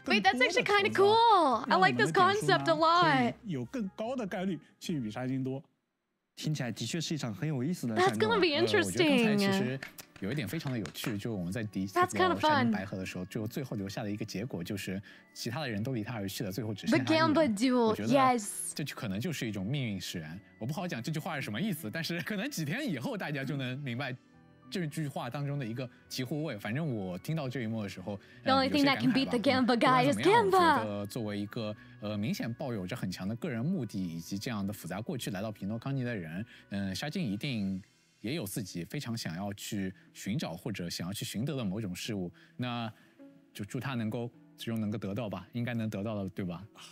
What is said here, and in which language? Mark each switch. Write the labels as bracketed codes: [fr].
[en] wait that's actually kind of cool I like this concept a lot [zh] 有更高的概率去比沙金多听起来的确是一场很有意思的 [en] that's gonna be interesting [zh] 有一点非常的有趣，就我们在第一次沙金白合的时候，就最后留下的一个结果就是，其他的人都离他而去了，最后只剩下 [en] The Gamba Duel, yes. [zh] 这可能就是一种命运使然。我不好讲这句话是什么意思，但是可能几天以后大家就能明白这句话当中的一个醍醐味。反正我听到这一幕的时候， [en] The only thing that can beat the Gamba guy is Gamba. [zh] 作为一个明显抱有着很强的个人目的以及这样的复杂过去来到皮诺康尼的人，沙金一定。也有自己非常想要去寻找或者想要去寻得的某种事物，那就祝他能够最终能够得到吧，应该能得到的，对吧？